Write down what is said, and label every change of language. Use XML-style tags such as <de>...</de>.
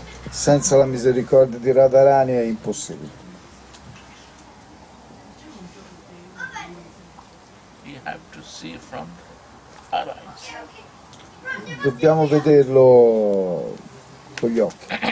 <it>Senza la misericordia di Radharani è impossibile.</it> <en>You have to see from her eyes.</en> <it>Dobbiamo vederlo con gli occhi.</it>